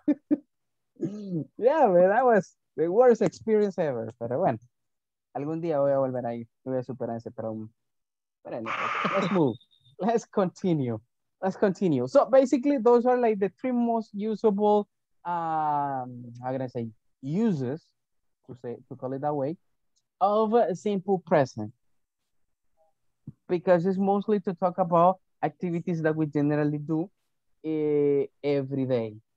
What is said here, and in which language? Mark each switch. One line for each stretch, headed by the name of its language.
English: Yeah, but that was the worst experience ever.
Spanish: Pero bueno, algún día voy a volver ahí, voy a superar ese trauma. Pero bueno,
English: let's move, let's continue. So basically, those are like the three most usable uses, to call it that way, of a simple present. Because it's mostly to talk about activities that we generally do every day.